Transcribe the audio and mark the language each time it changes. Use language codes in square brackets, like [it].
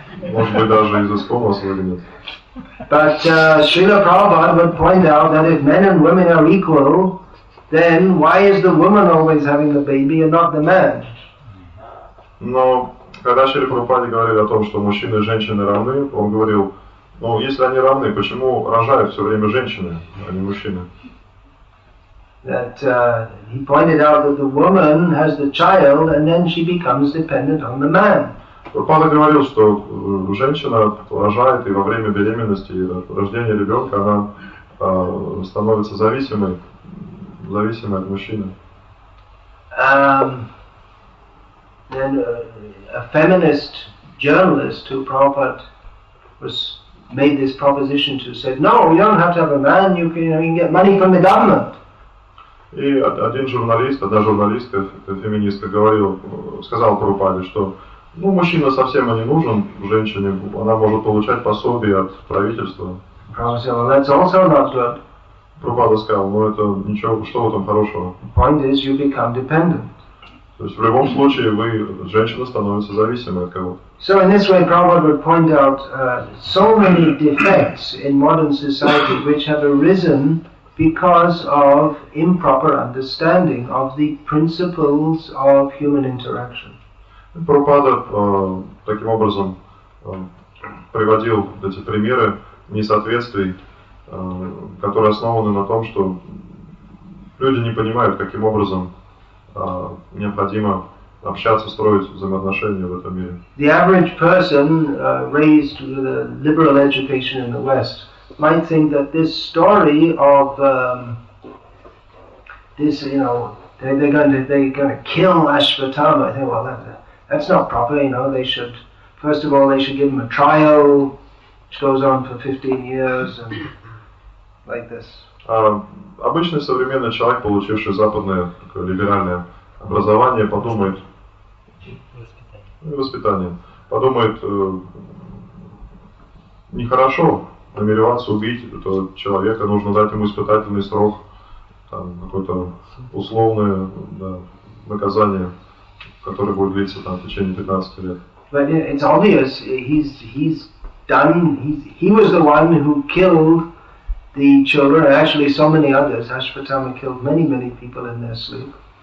[ru] Может быть, даже из Искома выгонят. [en] But Srila Prabhupada would point out that if men and women are equal, then why is the woman always having the baby and not the man? [ru] Но когда Шри Прабхупада говорил о том, что мужчины и женщины равны, он говорил, ну, если они равны, почему рожают все время женщины, а не мужчины? [en] That he pointed out that the woman has the child and then she becomes dependent on the man. [ru] Прабхупада говорил, что женщина рожает и во время беременности, и рождения ребенка, она становится зависимой от мужчины. [en] Then a feminist journalist who Prabhupada was made this proposition to said, no, you don't have to have a man, you can get money from the government. [ru] И один журналист, одна журналистка, феминистка, сказал Прабхупаде, что ну, мужчина совсем не нужен женщине, она может получать пособие от правительства. [en] Prabhupada said, well, that's also not good. [ru] Прабхупада сказал, ну это ничего, что в этом хорошего? [en] Point is, you become dependent. [ru] То есть в любом случае вы, женщина, становится зависимой от кого-то. [en] So in this way Prabhupada would point out so many defects in modern society which have arisen because of improper understanding of the principles of human interaction. [ru] Прабхупада таким образом приводил эти примеры несоответствий, которые основаны на том, что люди не понимают, каким образом необходимо общаться, строить взаимоотношения в этом мире. [en] The average person raised with a liberal education in the West might think that this story of this, you know, they're going to kill Ashwatthama. I think, well, that's not proper. You know, they should, first of all, they should give him a trial, which goes on for 15 years and like this. [ru] Обычный современный человек, получивший западное такое либеральное образование, подумает, воспитание, подумает, нехорошо намереваться убить этого человека, нужно дать ему испытательный срок, там, какое-то условное, да, наказание, которое будет длиться там, в течение 15 лет. [en] But it's obvious, he was the one who killed the children, and actually so many others. Ashwatthama killed many, many people in their sleep.